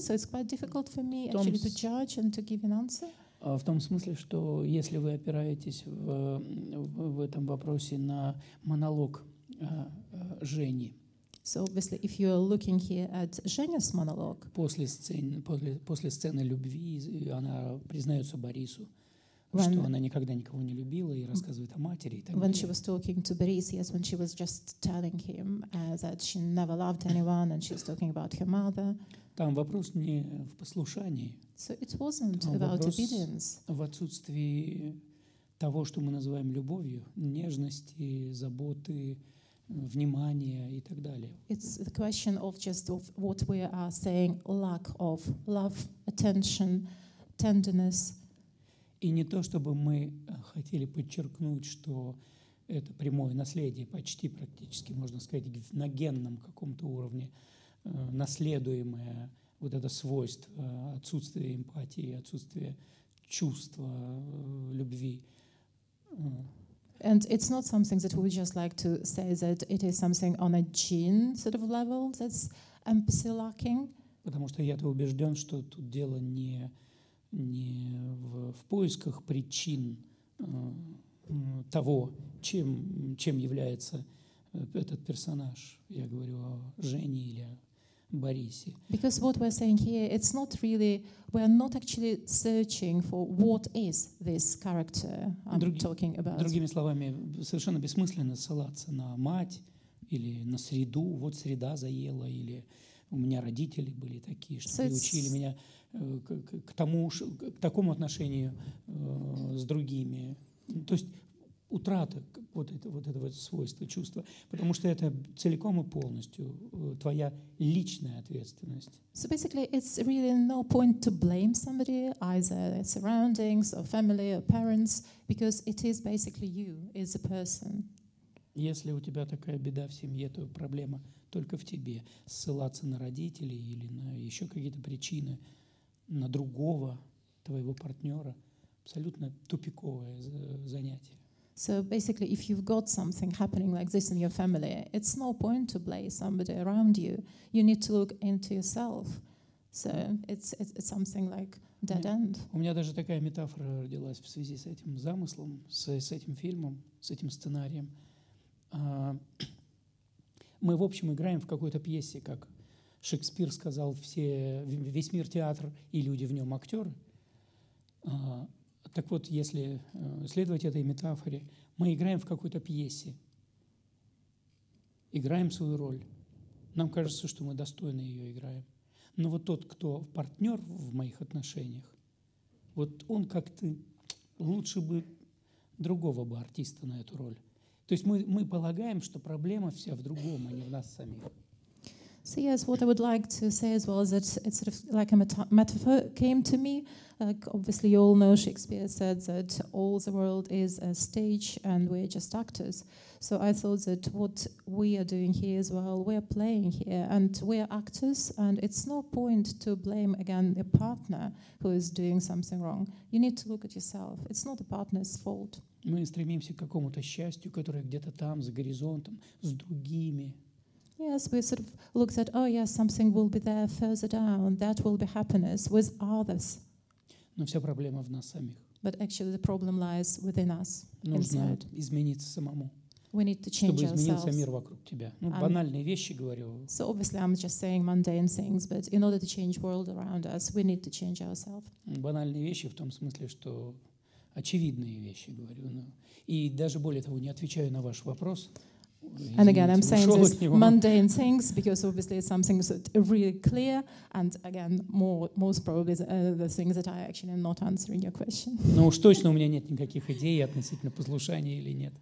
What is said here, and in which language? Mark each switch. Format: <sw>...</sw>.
<en>So it's quite difficult for me actually to judge and to give an answer.</en> <ru>В том смысле, что если вы опираетесь в этом вопросе на монолог Жени.</ru> <en>So obviously, if you are looking here at Женя's monologue,</en> <ru>после сцены любви, она признается Борису, что она никогда никого не любила, и рассказывает о матери.</ru> <en>When she was talking to Boris, yes, when she was just telling him that she never loved anyone, and she was talking about her mother.</en> <ru>Там вопрос не в послушании.</ru> <en>So it wasn't about obedience.</en> <ru>В отсутствии того, что мы называем любовью, нежности, заботы. Внимание и так далее.</ru> <en>It's the question of just of what we are saying, lack of love, attention, tenderness.</en> <ru>И не то, чтобы мы хотели подчеркнуть, что это прямое наследие, почти практически, можно сказать, на генном каком-то уровне, наследуемое вот это свойство отсутствия эмпатии, отсутствия чувства любви.</ru> <en>And it's not something that we would just like to say that it is something on a gene sort of level that's empathy lacking.</en> <ru>Потому что я-то убежден, что тут дело не в поисках причин того, чем является этот персонаж. Я говорю о Жене или Борисе.</ru> <en>Because what we're saying here, it's not really, we're not actually searching for what is this character talking about.</en> <ru>Другими словами, совершенно бессмысленно ссылаться на мать или на среду, вот среда заела, или у меня родители были такие, что приучили меня к такому отношению с другими. То есть утрата вот этого свойства, чувства, потому что это целиком и полностью твоя личная ответственность.</ru> <en>So basically, it's really no point to blame somebody, either their surroundings or family or parents, because it is basically you, it's a person.</en> <ru>Если у тебя такая беда в семье, то проблема только в тебе. Ссылаться на родителей или на еще какие-то причины, на другого твоего партнера, абсолютно тупиковое занятие.</ru> <en>So basically, if you've got something happening like this in your family, it's no point to blame somebody around you. You need to look into yourself. So it's something like dead end.</en> <ru>У меня даже такая метафора родилась в связи с этим замыслом, с этим фильмом, с этим сценарием. Мы, в общем, играем в какой-то пьесе, как Шекспир сказал, все, весь мир театр и люди в нем актеры. Так вот, если следовать этой метафоре, мы играем в какой-то пьесе, играем свою роль. Нам кажется, что мы достойно ее играем. Но вот тот, кто партнер в моих отношениях, вот он как-то лучше бы другого бы артиста на эту роль. То есть мы полагаем, что проблема вся в другом, а не в нас самих.</ru> <en>So yes, what I would like to say as well is that it's sort of like a metaphor came to me. Like obviously, you all know Shakespeare said that all the world is a stage and we're just actors. So I thought that what we are doing here as well, we're playing here and we're actors, and it's no point to blame again a partner who is doing something wrong. You need to look at yourself. It's not the partner's fault.</en> <ru>Мы стремимся к какому-то счастью, которое где-то там, за горизонтом, с другими.</ru> <en>Yes, we sort of look at, oh yes, something will be there further down, that will be happiness with others.</en> <ru>Но вся проблема в нас самих.</ru> <en>But actually the problem lies within us.</en> <ru>Нужно</ru> <en>inside.</en> <ru>Измениться самому.</ru> <en>We need to change ourselves.</en> <ru>Чтобы измениться мир вокруг тебя. Ну, банальные вещи говорю.</ru> <en>So obviously I'm just saying mundane things, but in order to change world around us, we need to change ourselves.</en> <ru>Банальные вещи в том смысле, что очевидные вещи говорю. Ну, и даже более того, не отвечаю на ваш вопрос.</ru> <en>And again, I'm saying this mundane things because obviously it's something that's really clear. And again, most probably the things that I actually am not answering your question.</en> <ru>Ну уж точно у меня нет никаких идей относительно послушания или нет.</ru>